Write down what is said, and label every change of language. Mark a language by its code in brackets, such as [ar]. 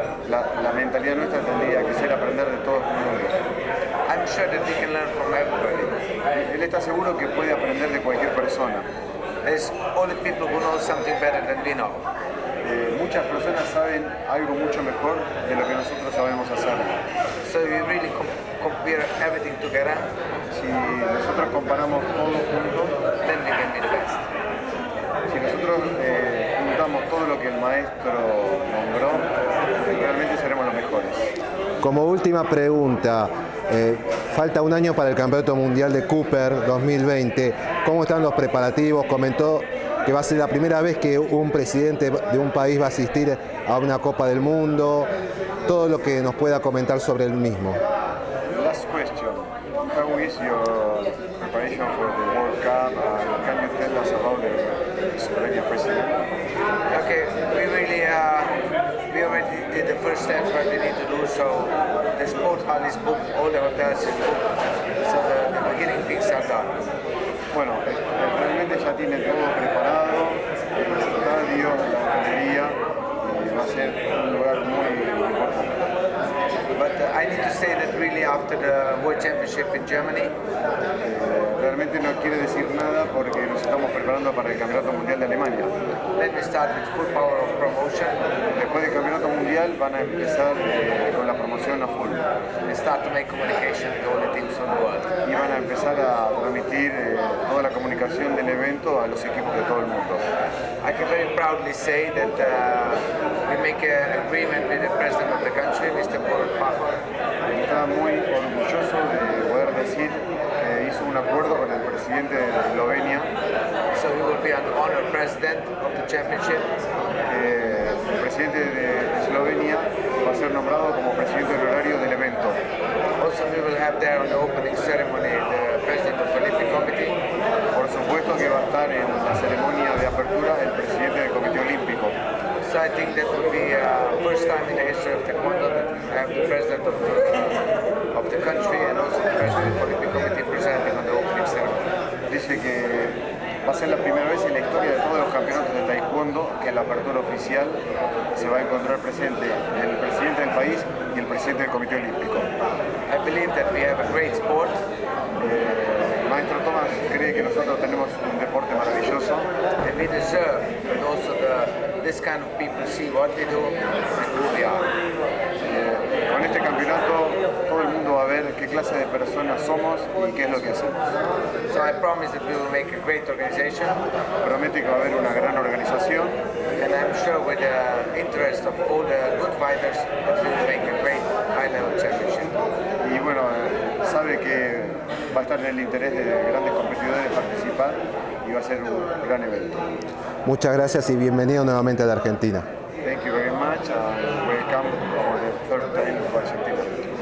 [es] La mentalidad nuestra tendría que ser aprender de todos los mundos. [en] I'm sure that he can learn from everybody. [es] Él está seguro que puede aprender de cualquier persona. [en] There's all the people who know something better than we know. [es] Muchas personas saben algo mucho mejor de lo que nosotros sabemos hacer. [en] So we really compare everything together. [es] Si nosotros comparamos todo junto, [en] then we can be the best. [es] Si nosotros juntamos todo lo que el maestro nombró, realmente seremos los mejores. Como última pregunta, falta un año para el Campeonato Mundial de Cooper 2020. ¿Cómo están los preparativos? Comentó que va a ser la primera vez que un presidente de un país va a asistir a una Copa del Mundo. Todo lo que nos pueda comentar sobre el mismo. [en] Last question. How is your preparation for the World Cup? Can you tell us about the Slovenian president? Okay, we really we already did the first steps what we need to do, so the sport hall is booked, all the hotels are booked, so the beginning things are done. [es] Bueno, realmente ya tiene todo preparado, el estadio, la hotelería, va a ser un lugar muy importante. [en] But I need to say that really after the World Championship in Germany. [es] Realmente no quiere decir nada porque nos estamos preparando para el Campeonato Mundial de Alemania. [en] Let me start with full power of promotion. [es] Después del Campeonato Mundial van a empezar con la promoción a full. [en] And start to make communication with all the teams on the world. [es] Y van a empezar a transmitir toda la comunicación del evento a los equipos de todo el mundo. [en] I can very proudly say that we make an agreement with the president of the country, Mr. Borut Pahor. [es] Está muy orgulloso de poder decir que hizo un acuerdo con el presidente de Eslovenia. [en] So he will be an honor president of the championship. [es] El presidente de Eslovenia va a ser nombrado como presidente honorario del evento. [en] Also we will have there on the opening ceremony the president of the Olympic Committee. [es] Por supuesto que va a estar en la ceremonia de apertura el presidente. [en] I think that would be the first time in the history of Taekwondo that we have the president of the country and also the president of the Olympic Committee presenting on the opening ceremony. [es] Dice que va a ser la primera vez en la historia de todos los campeonatos de Taekwondo que en la apertura oficial se va a encontrar presente el presidente del país y el presidente del Comité Olímpico. [en] I believe that we have a great sport. [es] Maestro Tomás cree que nosotros tenemos un deporte maravilloso. [en] And we deserve, and also the, this kind of people see what they do and who they are. [es] Con este campeonato todo el mundo va a ver qué clase de personas somos y qué es lo que hacemos. [en] So I promise that we will make a great organization. [es] Promete que va a haber una gran organización. [en] And I'm sure with the interest of all the good fighters that we will make a great high level championship. [es] Y bueno, sabe que va a estar en el interés de grandes competidores participar y va a ser un gran evento. Muchas gracias y bienvenido nuevamente a la Argentina. [en] Thank you very much and welcome for the third time to Argentina.